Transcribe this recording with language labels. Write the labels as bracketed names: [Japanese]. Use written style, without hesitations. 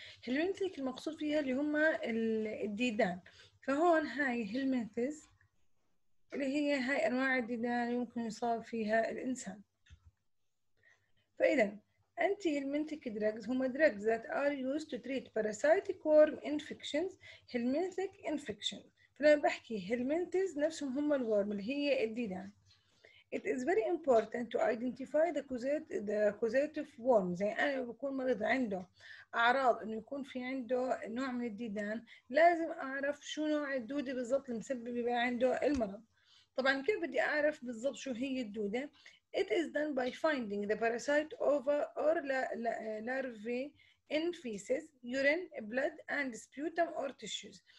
[Arabic] هلمنتك المقصود فيها اللي هم الديدان. فهون هاي هلمنتس اللي هي هاي أنواع الديدان يمكن يصاب فيها الإنسان. فإذا أنتي هيلمنتيك دراجز هما دراجز [English] that are used to treat parasitic worm infections [Arabic] هيلمنتيك infection. فلما بحكي هيلمنتيز نفسهم هما الورم اللي هي الديدان. [English] It is very important to identify the causative worm. [Arabic] زي أنا بكون مريض عنده أعراض إنه يكون في عنده نوع من الديدان، لازم أعرف شو نوع الدودة بالضبط اللي مسبب يبقى عنده المرض. طبعا كيف بدي أعرف بالضبط شو هي الدودة؟ [English] It is done by finding the parasite ova or larvae in feces, urine, blood, and sputum or tissues.